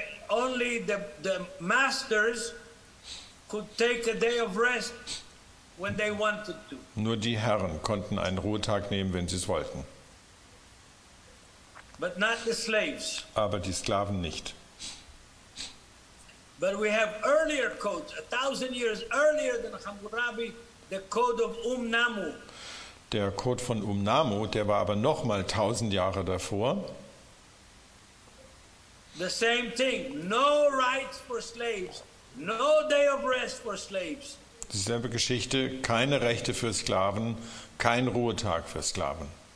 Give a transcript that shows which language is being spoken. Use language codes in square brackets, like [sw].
[en] Only the masters could take a day of rest when they wanted to. [de] Nur die Herren konnten einen Ruhetag nehmen, wenn sie es wollten. [en] But not the slaves. [de] Aber die Sklaven nicht. [en] But we have earlier codes, 1,000 years earlier than Hammurabi, the Code of Umnamu. [de] Der Code von Umnamu, der war aber noch mal 1,000 Jahre davor. [en] The same thing, no rights for slaves. No day of rest for slaves. [de] Dieselbe Geschichte, keine Rechte für Sklaven, kein Ruhetag für Sklaven.